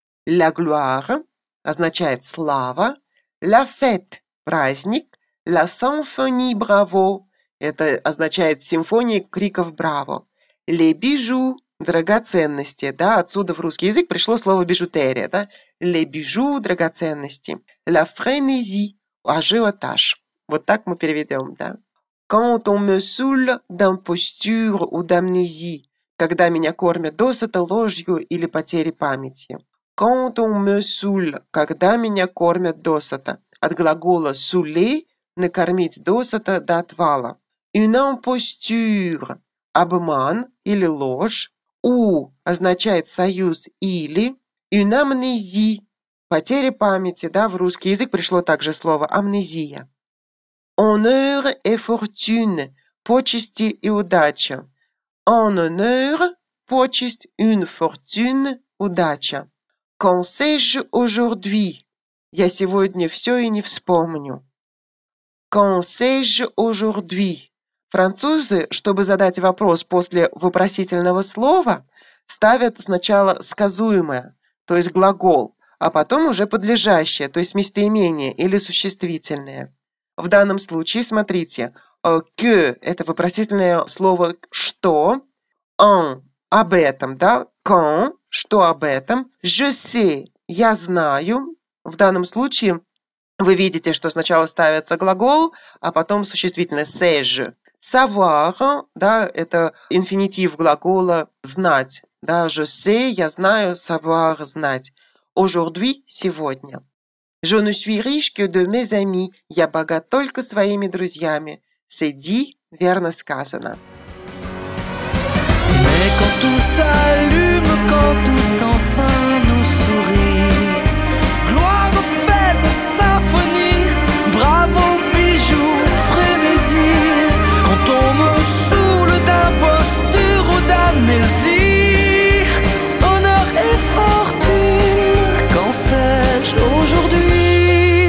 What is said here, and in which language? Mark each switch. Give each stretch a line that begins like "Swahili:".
Russian: La gloire – означает слава. La fête – праздник,
French: la symphonie bravo,
Russian: это означает симфонии криков браво, les bijoux, драгоценности, да, отсюда в русский язык пришло слово бижутерия, да, les bijoux, драгоценности, la frénésie, ажиотаж. Вот так мы переведем, да?
French: Quand on me saoule d'imposture ou d'amnésie.
Russian: Когда меня кормят досыта ложью или потери памяти.
French: Quand on me saoule.
Russian: Когда меня кормят досыта. От глагола saouler – накормить досыта до отвала. Une imposture – обман или ложь. Ou означает союз или. Une amnésie – потери памяти. Да, в русский язык пришло также слово амнезия.
French: Honneur et fortune
Russian: – почести и удача.
French: En honneur – почесть, une fortune – удача. Qu'en sais-je aujourd'hui?
Russian: Я сегодня все и не вспомню.
French: Qu'en sais-je aujourd'hui?
Russian: Французы, чтобы задать вопрос после вопросительного слова, ставят сначала сказуемое, то есть глагол, а потом уже подлежащее, то есть местоимение или существительное. В данном случае, смотрите, «que» – это вопросительное слово «что», «en» – об этом, да, «quand» – что об этом, «je sais» – я знаю. В данном случае вы видите, что сначала ставится глагол, а потом существительное «sais-je». «Savoir» – да, это инфинитив глагола «знать», да, «je sais» – я знаю, «savoir» – знать. «Aujourd'hui» – сегодня.
French: «Je ne suis riche que de mes amis» –
Russian: я богат только своими друзьями. Сиди, верно сказано.
French: Mais quand tout s'allume, quand tout enfin nous sourit, gloire, fête, symphonie, bravo, bijoux, frénésie, quand on me saoule d'imposture ou d'amnésie, honneur et fortune, qu'en sais-je aujourd'hui?